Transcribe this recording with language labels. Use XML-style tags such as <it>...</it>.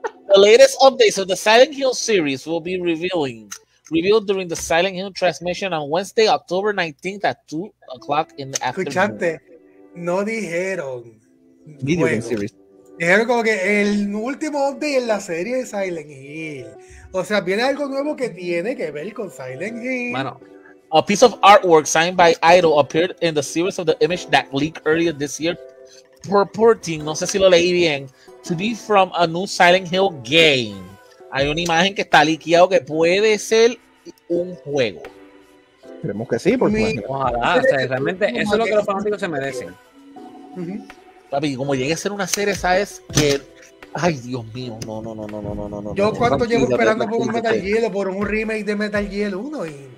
<en>The latest updates of the Silent Hill series will be revealed during the Silent Hill transmission on Wednesday, October 19th at 2 o'clock in the afternoon.</en> <es>Escuchaste, no dijeron.</es> <en>Video game series.</en> <es>Dijeron como que el último update en la serie de Silent Hill. O sea, viene algo nuevo que tiene que ver con Silent Hill. Mano,</es> <en>a piece of artwork signed by Idol appeared in the series of the image that leaked earlier this year, purporting,</en> <es>no sé si lo leí bien,</es> <en>to be from a new Silent Hill game.</en> <es>Hay una imagen que está liqueado que puede ser un juego. Creemos que sí, porque ojalá, o sea, realmente eso es lo que los fanáticos se merecen. Papi, como llegue a ser una serie, sabes que ay, Dios mío, no. Yo cuánto llevo esperando por un Metal Gear o por un remake de Metal Gear 1 y</es>